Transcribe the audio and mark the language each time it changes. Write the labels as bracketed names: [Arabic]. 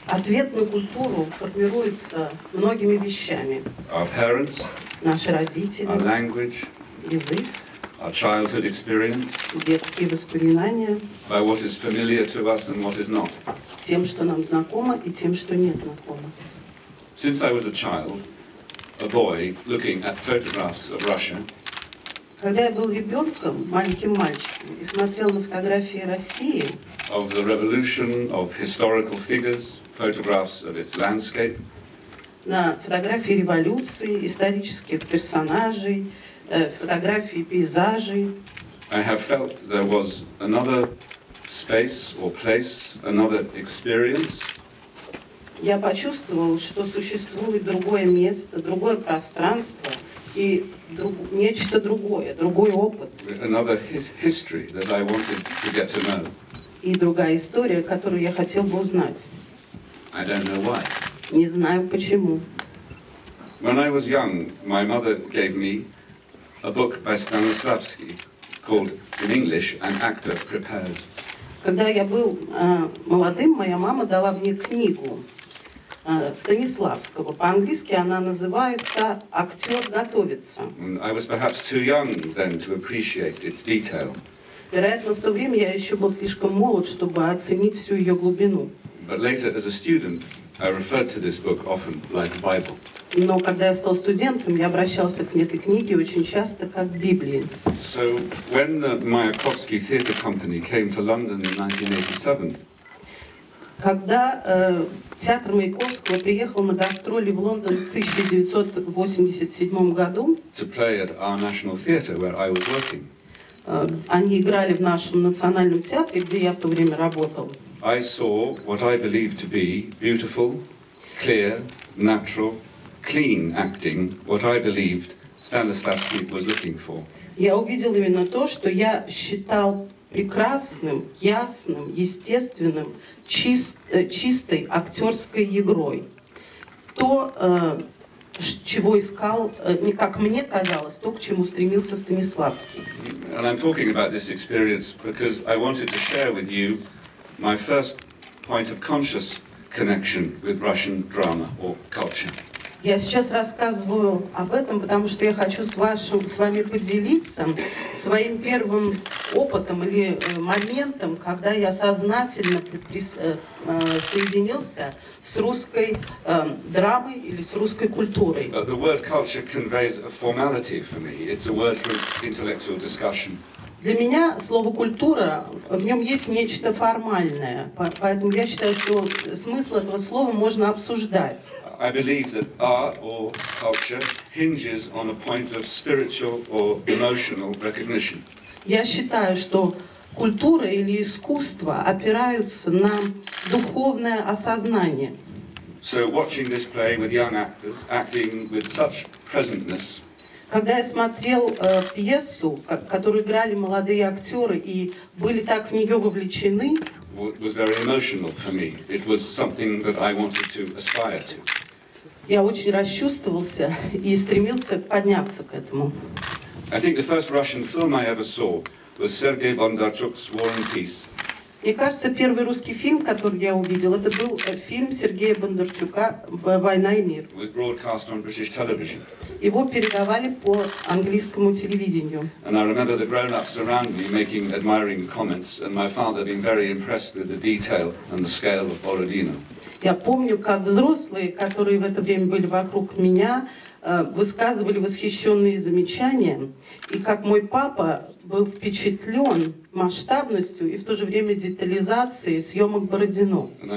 [Russian] Ответ на культуру формируется многими вещами. [English] Our parents, [Russian] наши родители, [English] our language, [Russian] язык, [English] our childhood experience, [Russian] детские воспоминания, [English] by what is familiar to us and what is not. [Russian] Тем, что нам знакомо и тем, что не знакомо. [English] Since I was a child, a boy looking at photographs of Russia, [Russian] когда я был ребенком, маленьким мальчиком, и смотрел на фотографии России, [English] of the revolution, of historical figures, photographs of its landscape, [Russian] на фотографии революции, исторических персонажей, фотографии пейзажей, [English] I have felt there was another space or place, another experience. [Russian] Я почувствовал, что существует другое место, другое пространство, и нечто другое, другой опыт. [English] Another history that I wanted to get to know. [Russian] И другая история, которую я хотел бы узнать. [English] I don't know why. [Russian] Не знаю почему. [English] When I was young, my mother gave me a book by Stanislavski called in English, An Actor Prepares. [Russian] Когда я был молодым, моя мама дала мне книгу Станиславского. По-английски она называется «Актер готовится». [English] I was perhaps too young then to appreciate its detail. [Russian] Вероятно, в то время я еще был слишком молод, чтобы оценить всю ее глубину. [English] But later, as a student, I referred to this book often like a Bible. [Russian] Но когда я стал студентом, я обращался к этой книге очень часто как к Библии. [English] So, when the Mayakovsky Theatre Company came to London in 1987, [Russian] когда Театр Маяковского приехал на гастроли в Лондон в 1987 году. [English] To play at our National Theatre, where I was working. [Russian] Они играли в нашем национальном театре, где я в то время работал. [English] I saw what I believe to be beautiful, clear, natural, clean acting, what I believed Stanislavski was looking for. [Russian] Я увидел именно то, что я считал прекрасным, ясным, естественным, чистой актерской игрой. То, чего искал, не как мне казалось, то, к чему стремился Станиславский. [English] And I'm talking about this experience because I wanted to share with you my first point of conscious connection with Russian drama or culture. [Russian] Я сейчас рассказываю об этом, потому что я хочу с вами поделиться своим первым опытом или моментом, когда я сознательно соединился с русской драмой или с русской культурой. [English] The word culture conveys a formality for me. It's a word for intellectual discussion. [Russian] Для меня слово «культура», в нем есть нечто формальное, поэтому я считаю, что смысл этого слова можно обсуждать. [English] I believe that art or culture hinges on a point of spiritual or emotional recognition. [Russian] Я считаю, что культура или искусство опираются на духовное осознание. [English] So watching this play with young actors acting with such presentness. [Russian] Когда я смотрел пьесу, которую играли молодые актеры и были так в нее вовлечены, [English] it was very emotional for me. It was something that I wanted to aspire to. [Russian] Я очень расчувствовался и стремился подняться к этому. [English] I think the first Russian film I ever saw was Sergei Bondarchuk's War and Peace. [Russian] Мне кажется, первый русский фильм, который я увидел, это был фильм Сергея Бондарчука «Война и мир». [English] It was broadcast on British television. [Russian] Его передавали по английскому телевидению. [English] And I remember the grown-ups around me making admiring comments, and my father being very impressed with the detail and the scale of Borodino. [Russian] Я помню, как взрослые, которые в это время были вокруг меня, высказывали восхищенные замечания, и как мой папа был впечатлен масштабностью и в то же время детализацией съемок Бородино.